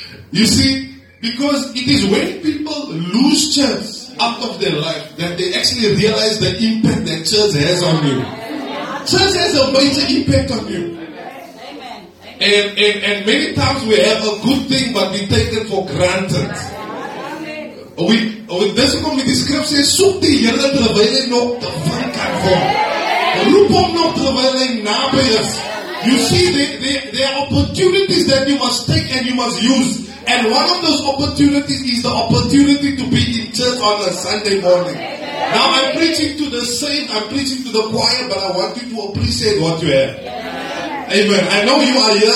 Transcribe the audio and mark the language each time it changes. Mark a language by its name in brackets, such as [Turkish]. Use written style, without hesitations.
[English] You see, because it is when people lose church out of their life that they actually realize the impact that church has on you. Church has a major impact on you. And many times we have a good thing, but we take it for granted. We this is the scripture. [Afrikaans] Soek die Here terwyl hy nog te vind kan word. Roep hom nog terwyl hy naby is. [English] You see, there are opportunities that you must take and you must use. And one of those opportunities is the opportunity to be in church on a Sunday morning. Now I'm preaching to the saint, I'm preaching to the choir, but I want you to appreciate what you have. Amen. I know you are here.